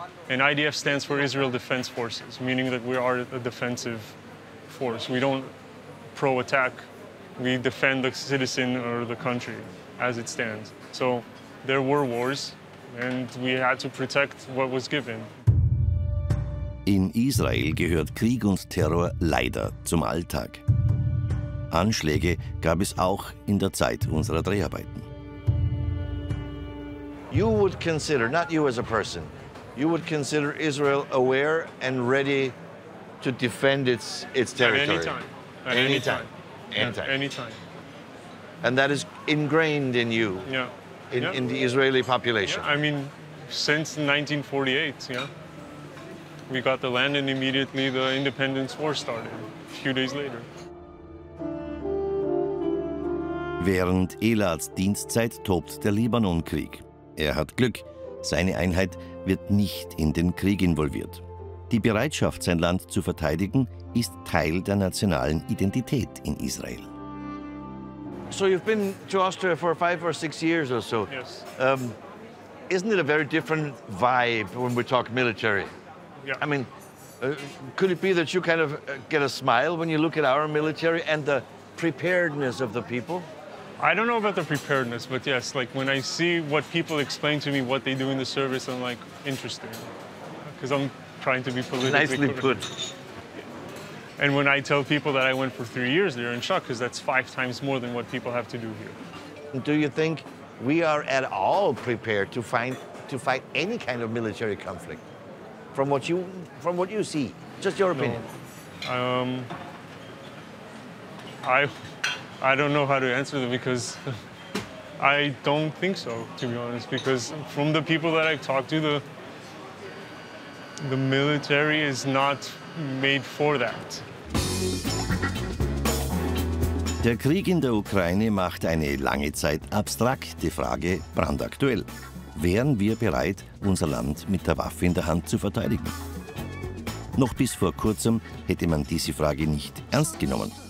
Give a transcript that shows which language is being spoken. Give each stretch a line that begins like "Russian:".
English: And IDF stands for Israel Defense Forces, meaning that we are a defensive force. We don't pro-attack. We defend the citizen or the country as it stands. So there were wars, and we had to protect what was given.
German: In Israel gehört Krieg und Terror leider zum Alltag. Anschläge gab es auch in der Zeit unserer Dreharbeiten.
English: You would consider, not you as a person, you would consider Israel aware and ready to defend its territory? At any time. And that is ingrained in you? Yeah. In the Israeli population? Yeah, I mean, since 1948, yeah. We got the land and immediately the independence war started, a few days later.
German: Während Elads Dienstzeit tobt der Libanon-Krieg. Er hat Glück, seine Einheit wird nicht in den Krieg involviert. Die Bereitschaft, sein Land zu verteidigen, ist Teil der nationalen Identität in Israel.
English: So you've been to Austria for 5 or 6 years or so. Yes. Isn't it a very different vibe when we talk military? Yeah. I mean, could it be that you kind of get a smile when you look at our military and the preparedness of the people? I don't know about the preparedness, but yes, like when I see what people explain to me what they do in the service, I'm like, interesting. Because I'm trying to be politically correct. Nicely put. And when I tell people that I went for 3 years, they're in shock, because that's 5 times more than what people have to do here. Do you think we are at all prepared to fight any kind of military conflict? From what you see, just your opinion. No. I don't know how to answer them, because I don't think so, to be honest, because from the people that I've talked to, the military is not made for that.
German: Der Krieg in der Ukraine macht eine lange Zeit abstrakt die Frage brandaktuell. Wären wir bereit, unser Land mit der Waffe in der Hand zu verteidigen? Noch bis vor kurzem hätte man diese Frage nicht ernst genommen.